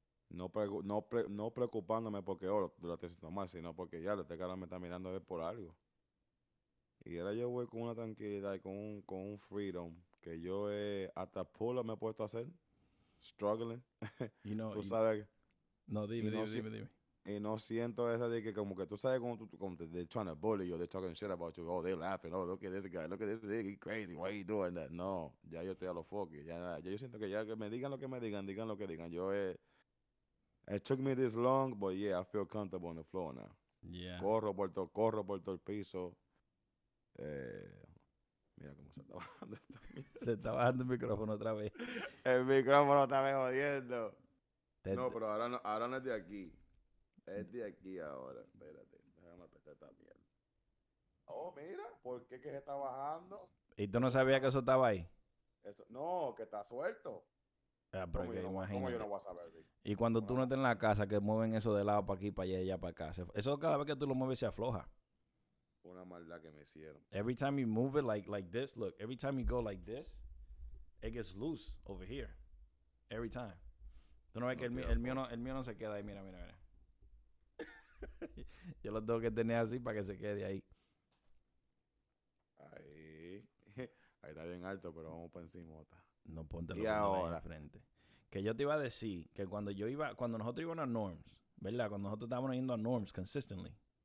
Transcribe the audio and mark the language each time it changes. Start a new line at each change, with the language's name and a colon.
Spanish: No preocupándome porque lo estoy haciendo mal, sino porque ya este cara me está mirando a ver por algo. Y ahora yo voy con una tranquilidad y con un freedom que yo hasta pull up me he puesto a hacer, struggling. Y no, tú sabes. No, dime. Y no siento esa de que como que tú sabes cómo tú, como
English: they're trying to bully you, they're talking shit about you, oh, they're laughing, oh, look at this guy, he's crazy, why are you doing that?
Spanish: No, ya yo estoy a los fucking, ya yo siento que ya que me digan lo que me digan, digan lo que digan,
English: it took me this long, but yeah, I feel comfortable on the floor now. Yeah.
Spanish: Corro por todo el piso. Mira cómo se está bajando. Se está bajando el micrófono otra vez. El micrófono está me jodiendo. No, pero ahora no es de aquí. Es de aquí ahora. Espérate, déjame apretar esta mierda. Oh, mira, ¿por qué que se está bajando? ¿Y tú no sabías que eso estaba ahí? No, que está suelto. Pero que imagínate. ¿Cómo yo no voy a saber? Y cuando tú no estés en la casa, que mueven eso de lado para aquí, para allá y allá para acá. Eso cada vez que tú lo mueves se afloja. Una maldad que me hicieron.
English: Every time you move it like this, look. Every time you go like this, it gets loose over here. Every time.
Spanish: Tú no ves que el mío no se queda ahí. Mira. Yo lo tengo que tener así para que se quede ahí. Ahí está bien alto, pero vamos para encima. No, ponte lo ahí de frente. Que yo te iba a decir que cuando nosotros íbamos a Norms, ¿verdad? Cuando nosotros estábamos yendo a Norms consistently,